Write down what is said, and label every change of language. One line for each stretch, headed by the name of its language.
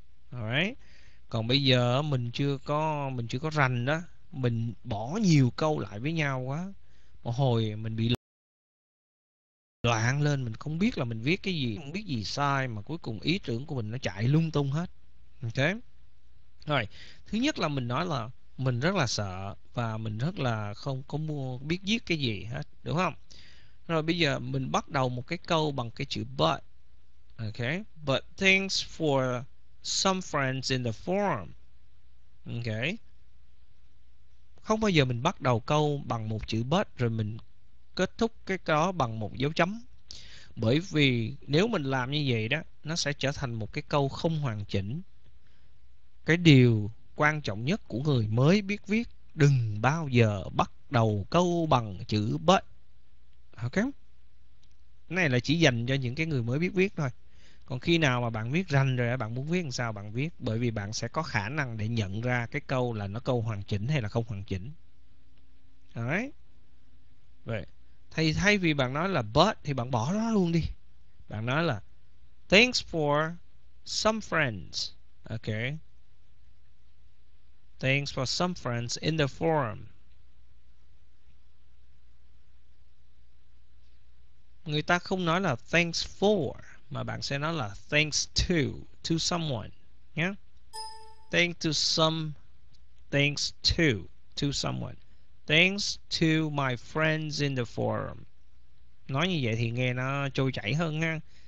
Vietnamese: Alright, còn bây giờ mình chưa có rành đó, mình bỏ nhiều câu lại với nhau quá, một hồi mình bị loạn lên, mình không biết là mình viết cái gì, không biết gì sai, mà cuối cùng ý tưởng của mình nó chạy lung tung hết. Ok, rồi thứ nhất là mình nói là mình rất là sợ và mình rất là không có mua biết viết cái gì hết, đúng không? Rồi bây giờ mình bắt đầu một cái câu bằng cái chữ but.
English: Ok, but thanks for some friends in the forum.
Vietnamese: Ok, không bao giờ mình bắt đầu câu bằng một chữ but rồi mình kết thúc cái đó bằng một dấu chấm, bởi vì nếu mình làm như vậy đó, nó sẽ trở thành một cái câu không hoàn chỉnh. Cái điều quan trọng nhất của người mới biết viết, đừng bao giờ bắt đầu câu bằng chữ but. Ok, cái này là chỉ dành cho những cái người mới biết viết thôi. Còn khi nào mà bạn viết rành rồi, bạn muốn viết làm sao bạn viết, bởi vì bạn sẽ có khả năng để nhận ra cái câu là nó câu hoàn chỉnh hay là không hoàn chỉnh. Đấy, vậy thì thay vì bạn nói là but thì bạn bỏ nó luôn đi, bạn nói là
English: thanks for some friends. Ok, thanks for some friends in the forum.
Vietnamese: Người ta không nói là thanks for, mà bạn sẽ nói là
English: thanks to someone
Vietnamese: nhé.
English: Thanks to some, thanks to someone. Thanks to my friends in the forum.
Vietnamese: Nói như vậy thì nghe nó trôi chảy hơn ha.